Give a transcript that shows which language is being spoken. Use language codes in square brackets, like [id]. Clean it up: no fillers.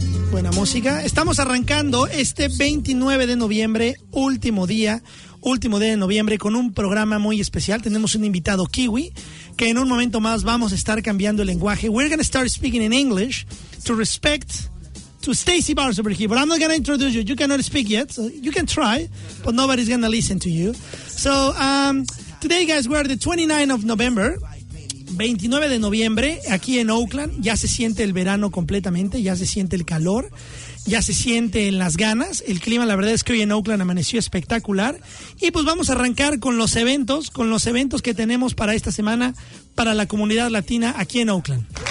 [es] Buena música. Estamos arrancando este 29 de noviembre, último día de noviembre, con un programa muy especial. Tenemos un invitado kiwi, que en un momento más vamos a estar cambiando el lenguaje. [en] We're going to start speaking in English to respect to Stacy Barnes over here, but I'm not going to introduce you. You cannot speak yet. So you can try, but nobody's going to listen to you. So today, guys, we're the 29th of November. [es] 29 de noviembre, aquí en Oakland, ya se siente el verano completamente, ya se siente el calor, ya se sienten las ganas. El clima, la verdad es que hoy en Oakland amaneció espectacular. Y pues vamos a arrancar con los eventos que tenemos para esta semana para la comunidad latina aquí en Oakland.